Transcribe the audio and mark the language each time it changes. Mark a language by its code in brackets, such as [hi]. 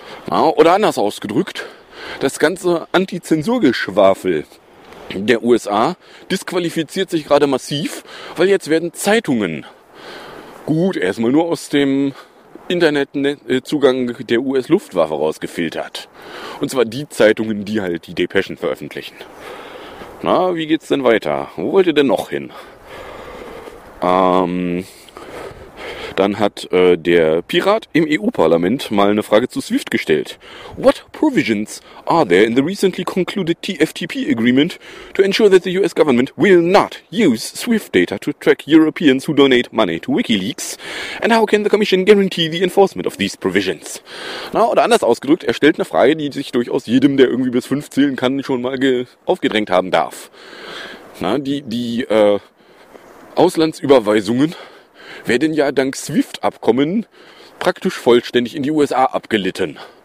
[de] Ja, oder anders ausgedrückt, das ganze Antizensurgeschwafel der USA disqualifiziert sich gerade massiv, weil jetzt werden Zeitungen, gut, erstmal nur aus dem Internetzugang der US-Luftwaffe rausgefiltert. Und zwar die Zeitungen, die halt die Depeschen veröffentlichen. Na, wie geht's denn weiter? Wo wollt ihr denn noch hin? Dann hat der Pirat im EU-Parlament mal eine Frage zu SWIFT gestellt. [en] What provisions are there in the recently concluded TFTP agreement to ensure that the US government will not use SWIFT data to track Europeans who donate money to WikiLeaks? And how can the commission guarantee the enforcement of these provisions? [de] Na, oder anders ausgedrückt, er stellt eine Frage, die sich durchaus jedem, der irgendwie bis 5 zählen kann, schon mal aufgedrängt haben darf. Na, die Auslandsüberweisungen werden ja dank SWIFT-Abkommen praktisch vollständig in die USA abgelitten.